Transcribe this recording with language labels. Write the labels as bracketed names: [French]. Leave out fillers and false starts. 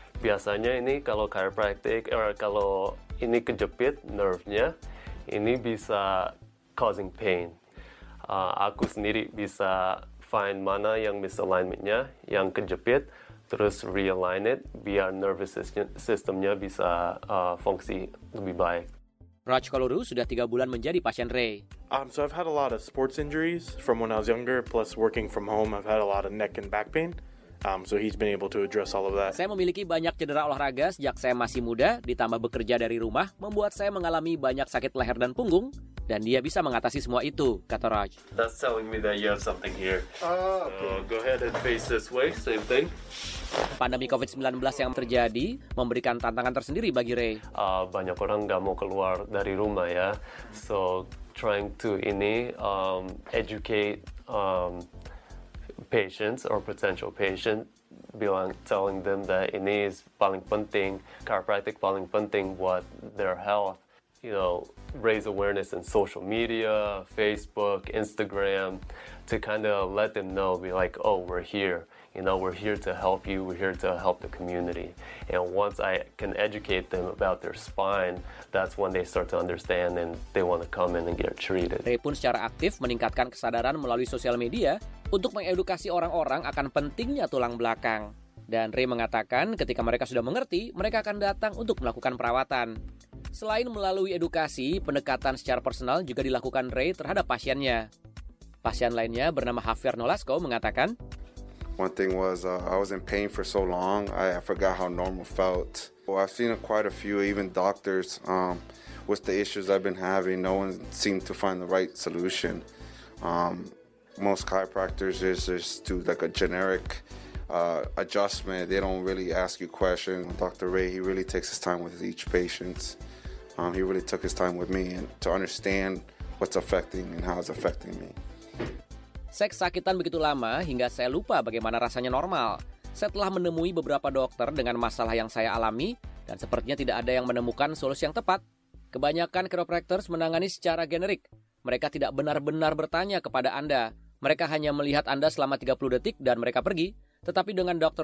[Indonesian] Biasanya ini kalau chiropractic or kalau ini kejepit nerve-nya, ini bisa [English] causing pain. [Indonesian] Aku sendiri bisa find mana yang misalignment-nya, yang kejepit, terus [English] realign it, [Indonesian] biar nervous system-nya bisa fungsi lebih baik. Raj Kaluru sudah 3 bulan menjadi pasien Ray. [English] So I've had a lot of sports injuries from when I was younger, plus working from home, I've had a lot of neck and back pain. So he's been able to address all of that. [Indonesian] Saya memiliki banyak cedera olahraga sejak saya masih muda, ditambah bekerja dari rumah, membuat saya mengalami banyak sakit leher dan punggung, dan dia bisa mengatasi semua itu, kata Raj. [English] That's telling me that you have something here. So go ahead and face this way, same thing. [Indonesian] Pandemi COVID-19 yang terjadi memberikan tantangan tersendiri bagi Ray. Banyak orang nggak mau keluar dari rumah ya. [English] So trying to educate patients or potential patient, telling them that [Indonesian] ini is paling penting, [English] chiropractic [Indonesian] paling penting buat [English] their health. You know, raise awareness in social media, Facebook, Instagram, to kind of let them know, be like, oh, we're here. You know, we're here to help you, we're here to help the community. And once I can educate them about their spine, that's when they start to understand and they want to come in and get treated. [Indonesian] Ray pun secara aktif meningkatkan kesadaran melalui sosial media untuk mengedukasi orang-orang akan pentingnya tulang belakang. Dan Ray mengatakan ketika mereka sudah mengerti, mereka akan datang untuk melakukan perawatan. Selain melalui edukasi, pendekatan secara personal juga dilakukan Ray terhadap pasiennya. Pasien lainnya bernama Javier Nolasco mengatakan, [English] one thing was I was in pain for so long, I forgot how normal felt. Well, I've seen quite a few, even doctors, with the issues I've been having, no one seemed to find the right solution. Most chiropractors is just to like a generic adjustment. They don't really ask you questions. Dr. Ray, he really takes his time with each patient. He really took his time with me and to understand what's affecting and how it's affecting me. [Indonesian] Saya kesakitan begitu lama hingga saya lupa bagaimana rasanya normal. Saya telah menemui beberapa dokter dengan masalah yang saya alami dan sepertinya tidak ada yang menemukan solusi yang tepat. Kebanyakan chiropractors menangani secara generik. Mereka tidak benar-benar bertanya kepada Anda. Mereka hanya melihat Anda selama 30 detik dan mereka pergi. Tetapi dengan Dr.